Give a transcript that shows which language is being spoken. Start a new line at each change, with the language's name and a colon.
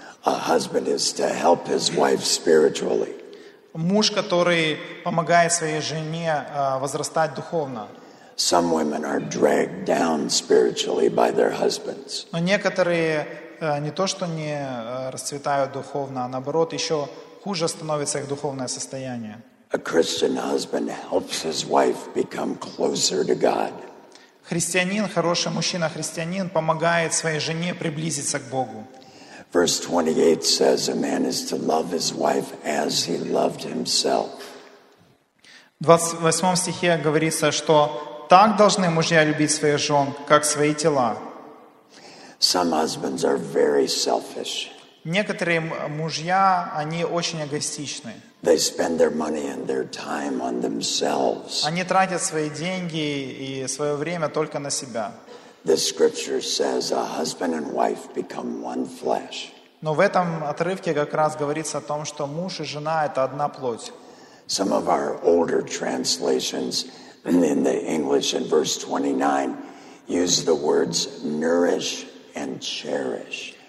English: A husband is to help his wife spiritually.
Russian: Муж, который помогает своей жене возрастать духовно.
English: Some women are dragged down spiritually by their husbands.
Russian: Но некоторые не то что не расцветают духовно, а наоборот еще хуже становится их духовное состояние.
English: A Christian husband helps his wife become closer to God.
Russian: Христианин, хороший мужчина, христианин помогает своей жене приблизиться к Богу.
English: Verse 28 says a man is to love his wife as he loved himself.
Russian: В 28 стихе говорится, что так должны мужья любить своих жен, как свои тела.
English: Some husbands are very selfish.
Russian: Некоторые мужья, они очень эгоистичны.
English: They spend their money and their time on themselves.
Russian: Они тратят свои деньги и свое время только на себя.
English: The scripture says a husband and wife become one flesh.
Russian: Но в этом отрывке как раз говорится о том, что муж и жена это одна плоть.
English: Some of our older translations in the English in verse 29 use the words nourish and cherish.